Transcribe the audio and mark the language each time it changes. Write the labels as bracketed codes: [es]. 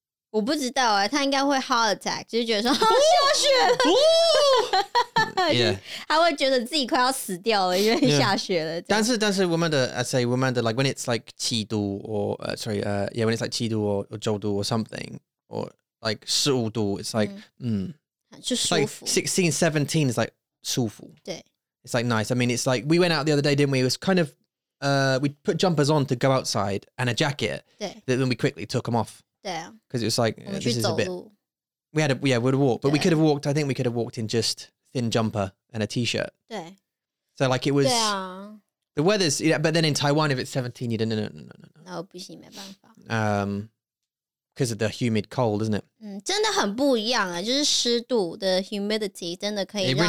[zh] 我不知道啊，她应该会 [en] heart attack， [zh] 就是觉得说、哦、下雪了。 [en] Yeah， [zh] 她会觉得自己快要死掉了，因为下雪了。 [en] Yeah. [zh] 但是我们的 [en] I say 我们的 like when it's like 七度 or sorry yeah when it's like 七度 or 九度 or something or like 十五度 it's like [zh] 就舒服。 [en] Like 16-17 is like 舒服。 [zh] 对。 [en] It's like nice. I mean, it's like we went out the other day, didn't we? It was kind of, we put jumpers on to go outside and a jacket. Yeah. Then we quickly took them off. Yeah. Because it was like, this is a bit. We had a, yeah, we'd walk, but we could have walked. I think we could have walked in just thin jumper and a t-shirt. Yeah. So like it was, the weather's, yeah, but then in Taiwan, if it's 17, you don't, no. [zh] No, 不行，没办法。 [en] Because of the humid cold, isn't it? [zh] 真的很不一样啊，就是湿度的 humidity 真的可以让